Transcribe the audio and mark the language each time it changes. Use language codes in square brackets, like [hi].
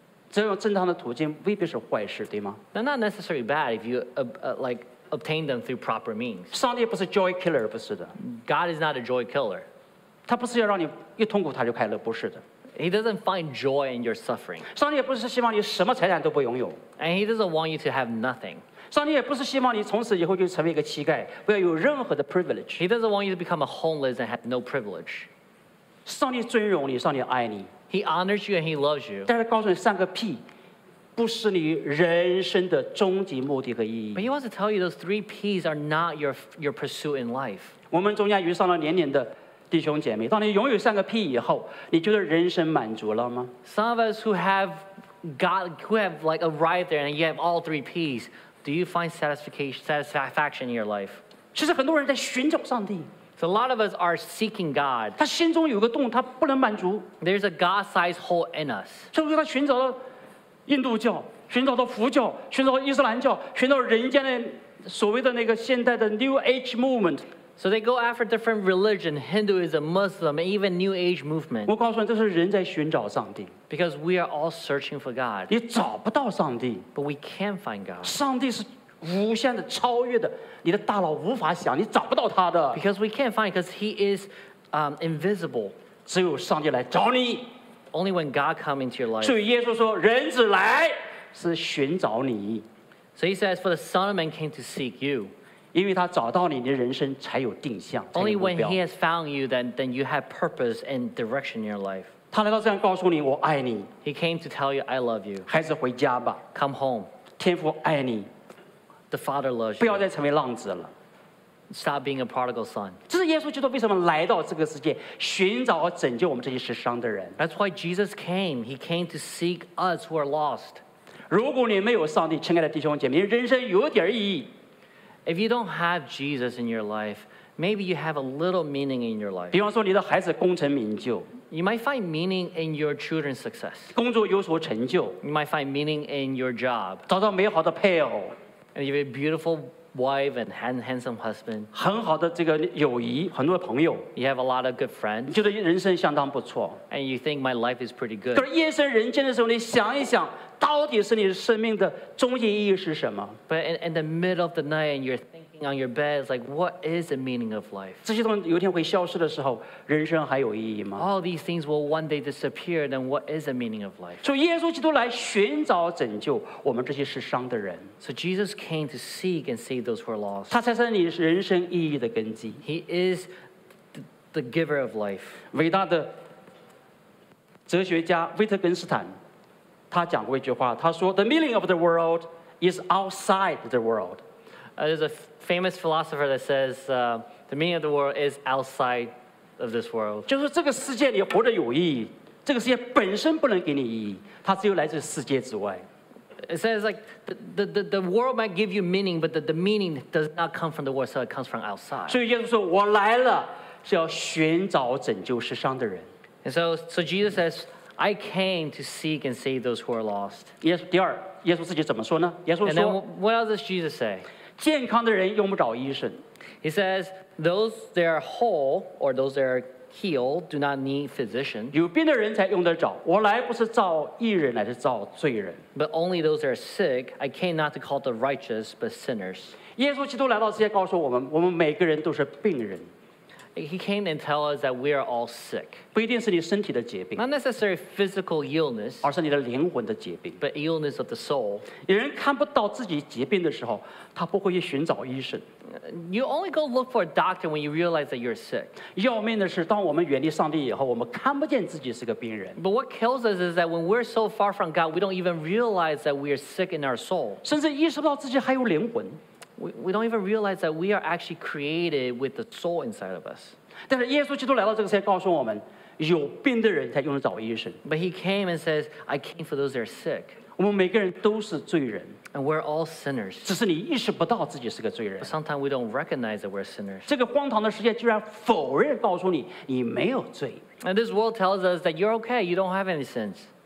[zh] 只有正常的途径未必是坏事，对吗？ [en] They're not necessarily bad if you like. Obtain them through proper means. [zh] 上帝不是 [en] joy killer, [zh] 不是的。 [en] God is not a joy killer. [zh] 他不是要让你一痛苦他就快乐，不是的。 [en] He doesn't find joy in your suffering. [zh] 上帝也不是希望你什么财产都不拥有。 [en] And he doesn't want you to have nothing. [zh] 上帝也不是希望你从此以后就成为一个乞丐，不要有任何的 privilege. [en] He doesn't want you to become a homeless and have no privilege. [zh] 上帝尊荣你，上帝爱你。 [en] He honors you and he loves you. [zh] 但是告诉你三个屁。不是你人生的终极目的和意义。 [en] But he wants to tell you those three P's are not your pursuit in life. [zh] 我们中间遇上了年年的弟兄姐妹，当你拥有三个 P 以后，你觉得人生满足了吗？ [en] Some of us who have arrived there and you have all three P's, do you find satisfaction in your life? [zh] 其实很多人在寻找上帝。 [en] So a lot of us are seeking God. [zh] 他心中有个洞，他不能满足。 [en] There's a God-sized hole in us. [zh] 所以他寻找了。印度教，寻找到佛教，寻找到伊斯兰教，寻找人间的所谓的那个现代的 New Age movement. [en] So they go after different religion, Hinduism, Muslim, and even New Age movement. [zh] 我告诉你，这是人在寻找上帝。 [en] Because we are all searching for God. [zh] 你找不到上帝。 [en] But we can't find God. [zh] 上帝是无限的、超越的，你的大脑无法想，你找不到他的。 [en] Because we can't find, because he is invisible. [zh] 只有上帝来找你。 [en] Only when God comes into your life. [zh] 所以耶稣说，人子来是寻找你。 [en] So he says, for the Son of Man came to seek you. [zh] 因为他找到你，你的人生才有定向，才有目标。 [en] Only when he has found you, then you have purpose and direction in your life. [zh] 他来到这样告诉你，我爱你。 [en] He came to tell you, I love you. [zh] 孩子回家吧。 [en] Come home. [zh] 天父爱你。 [en] The Father loves you. [zh] 不要再成为浪子了。 [en] Stop being a prodigal son. [zh] 这是耶稣基督为什么来到这个世界，寻找和拯救我们这些失丧的人。 [en] That's why Jesus came. He came to seek us who are lost. [zh] 如果你没有上帝，亲爱的弟兄姐妹，人生有点意义。 [en] If you don't have Jesus in your life, maybe you have a little meaning in your life. [zh] 比方说，你的孩子功成名就。 [en] You might find meaning in your children's success. [zh] 工作有所成就。 [en] You might find meaning in your job. [zh] 找到美好的配偶。 [en] And you have a beautiful. Wife and handsome husband. [zh] 很好的这个友谊，很多朋友。 [en] You have a lot of good friends. [zh] 你觉得人生相当不错。 [en] And you think my life is pretty good. [zh] 可是夜深人静的时候，你想一想，到底是你生命的终极意义是什么 [en] ？But in the middle of the night, and you're thinking on your bed, it's like, what is the meaning of life? [zh] 这些东西有一天会消失的时候，人生还有意义吗 [en] ？All these things will one day disappear. Then what is the meaning of life? [zh] 所以耶稣基督来寻找拯救我们这些失丧的人。 [en] So Jesus came to seek and save those who are lost. [zh] 他才是你人生意义的根基。 [en] He is the giver of life. [zh] 伟大的哲学家威特根斯坦。他讲过一句话，他说 [en] "The meaning of the world is outside the world." There's a famous philosopher that says, "The meaning of the world is outside of this world. [zh] 就是这个世界你活得有意义，这个世界本身不能给你意义，它只有来自世界之外。 [en] It says like the world might give you meaning, but the meaning does not come from the world, so it comes from outside. [zh] 所以耶稣说，我来了是要寻找拯救世上的人。 [en] And so Jesus says, I came to seek and save those who are lost. [zh] 第二，耶稣自己怎么说呢？耶稣说 [en] ，And then what else does Jesus say? [zh] 健康的人用不着医生。 [en] He says, those that are whole or those that are healed do not need physician. [zh] 有病的人才用得着。我来不是造义人，乃是造罪人。 [en] But only those that are sick, I came not to call the righteous but sinners. [zh] 耶稣基督来到世界，告诉我们，我们每个人都是病人。 [en] He came and tell us that we are all sick. [zh] 不一定是你身体的疾病。 [en] Not necessarily physical illness. [zh] 而是你的灵魂的疾病。 [en] But illness of the soul. [zh] 有人看不到自己疾病的时候，他不会去寻找医生。 [en] You only go look for a doctor when you realize that you're sick. [zh] 要命的是，当我们远离上帝以后，我们看不见自己是个病人。 [en] But what kills us is that when we're so far from God, we don't even realize that we are sick in our soul. [zh] 甚至意识不到自己还有灵魂。 [en] We don't even realize that we are actually created with the soul inside of us. [zh] 但是耶稣基督来到这个世界，告诉我们，有病的人才用得着医生。 [en] But he came and says, I came for those that are sick. [zh] 我们每个人都是罪人。 [en] And we're all sinners. [zh] 只是你意识不到自己是个罪人。 [en] But sometimes we don't recognize that we're sinners. [zh] 这个荒唐的世界居然否认告诉你，你没有罪。 [en] And this world tells us that you're okay, you don't have any sins.